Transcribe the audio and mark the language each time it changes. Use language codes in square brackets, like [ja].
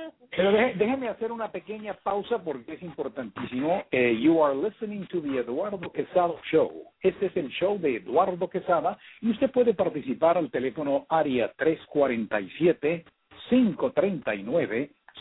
[es] Pero déjeme hacer una pequeña pausa porque es importantísimo. [en] You are listening to the Eduardo Quesada Show. [es] Este es el show de Eduardo Quesada y usted puede participar al teléfono área 347-539-5024.